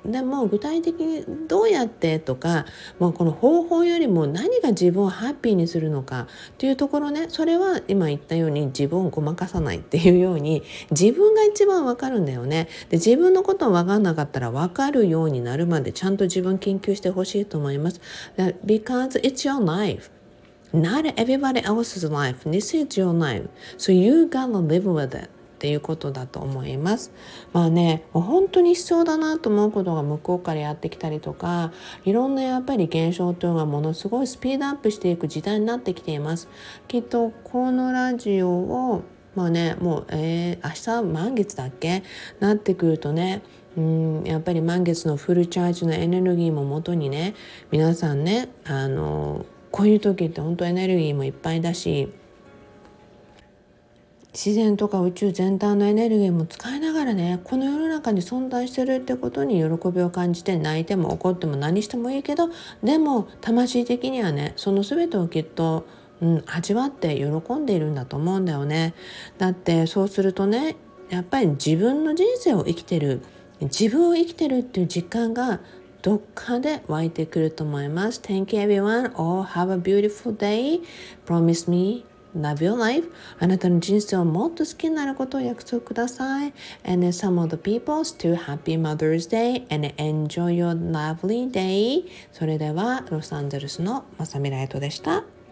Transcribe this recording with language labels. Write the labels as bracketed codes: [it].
[ja] でも具体的にどうやってとか、もうこの方法よりも何が自分をハッピーにするのかっていうところね、それは今言ったように自分をごまかさないっていうように、自分が一番わかるんだよね。で、自分のことを分かんなかったら、分かるようになるまでちゃんと自分研究してほしいと思います。 [en] Because it's your lifeNot everybody else's life. This is your life. So you gotta live with it. [ja] っていうことだと思います。まあね、本当に必要だなと思うことが向こうからやってきたりとか、いろんなやっぱり現象というのがものすごいスピードアップしていく時代になってきています。きっとこのラジオを、まあね、もう、明日満月だっけ？なってくるとね、やっぱり満月のフルチャージのエネルギーも元にね、皆さんね、こういう時って本当エネルギーもいっぱいだし、自然とか宇宙全体のエネルギーも使いながらね、この世の中に存在してるってことに喜びを感じて、泣いても怒っても何してもいいけど、でも魂的にはね、その全てをきっと、味わって喜んでいるんだと思うんだよね。だってそうするとね、やっぱり自分の人生を生きてる、自分を生きてるっていう実感がどっかで湧いてくると思います。 [en] Thank you everyone. All have a beautiful day. Promise me, love your life. [ja] あなたの人生をもっと好きになることを約束ください。 [en] And some of the people, still happy Mother's Day. And enjoy your lovely day. [ja] それではロサンゼルスのマサミライトでした。